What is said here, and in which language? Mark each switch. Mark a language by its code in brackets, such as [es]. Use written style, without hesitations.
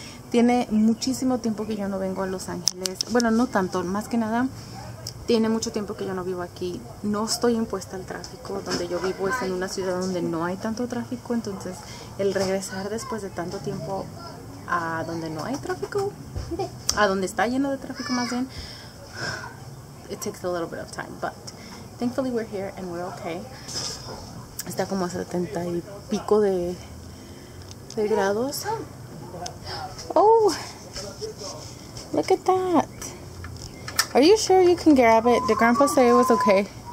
[es] Tiene muchísimo tiempo que yo no vengo a Los Ángeles. Bueno, no tanto, más que nada, tiene mucho tiempo que yo no vivo aquí. No estoy impuesta al tráfico. Donde yo vivo es en una ciudad donde no hay tanto tráfico. Entonces, el regresar después de tanto tiempo a donde no hay tráfico, a donde está lleno de tráfico más bien, [en] it takes a little bit of time. But thankfully we're here and we're okay. [es] Está como a 70 y pico de grados. [en] Oh, look at that. Are you sure you can grab it? Did Grandpa say it was okay?